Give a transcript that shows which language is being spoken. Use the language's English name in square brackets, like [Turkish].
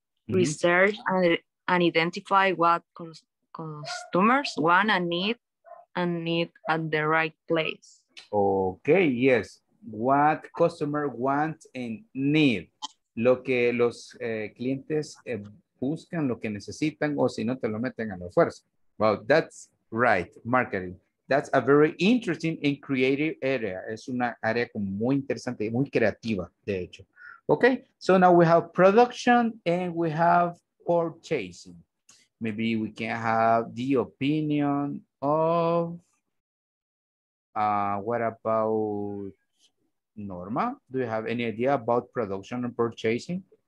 [English] Research and identify what customers want and need at the right place. Okay, yes. What customer wants and need. [Spanish] Lo que los clientes buscan, lo que necesitan, o si no te lo meten a la fuerza. [English] Well, that's right, marketing. That's a very interesting and creative area. [Spanish] Es una área como muy interesante y muy creativa, de hecho. [English] Okay, so now we have production and we have purchasing. Maybe we can have the opinion of, what about Norma? Do you have any idea about production and purchasing?